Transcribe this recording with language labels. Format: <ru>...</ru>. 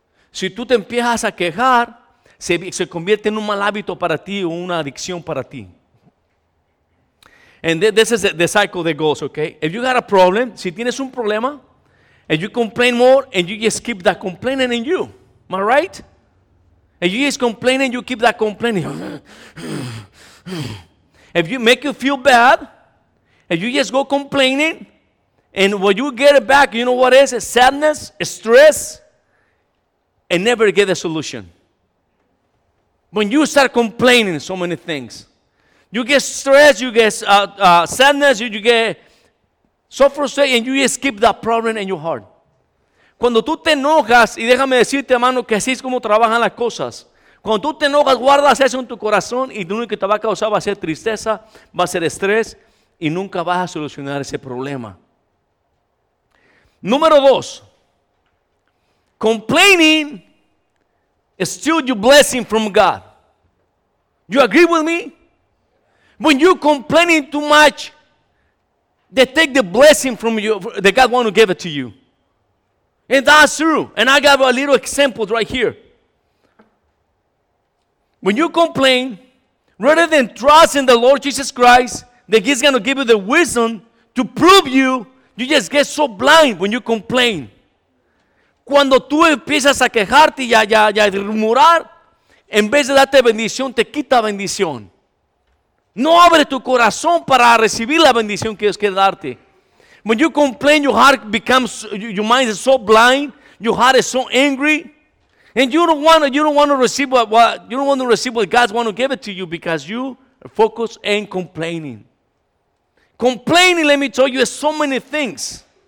<es>Si tú te empiezas a quejar, se convierte en un mal hábito para ti o una adicción para ti.</es> <en>And this is the cycle that goes, okay? If you got a problem,</en> <es>si tienes un problema,</es> <en>and you complain more, and you just keep that complaining in you. Am I right? And you just complain, and you keep that complaining. If you make you feel bad, and you just go complaining, and when you get it back, you know what it is? It's sadness, stress, and never get a solution. When you start complaining so many things, you get stress, you get sadness, you get so frustrated, and you just keep that problem in your heart.</en> <es>Cuando tú te enojas, y déjame decirte, hermano, que así es como trabajan las cosas. Cuando tú te enojas, guardas eso en tu corazón y lo único que te va a causar va a ser tristeza, va a ser estrés y nunca vas a solucionar ese problema. Número dos.</es> <en>Complaining steals your blessing from God. You agree with me? When you complaining too much, they take the blessing from you that God wants to give it to you. And that's true. And I got a little example right here. When you complain, rather than trust in the Lord Jesus Christ, that He's going to give you the wisdom to prove you, you just get so blind when you complain.</en> <es>Cuando tú empiezas a quejarte y a murmurar, en vez de darte bendición, te quita bendición. No abre tu corazón para recibir la bendición que Dios quiere darte.</es> <en>When you complain, your heart becomes, your mind is so blind, your heart is so angry, and you don't want to receive what God wants to give it to you because you are focused on complaining. Complaining, let me tell you, is so many things.</en>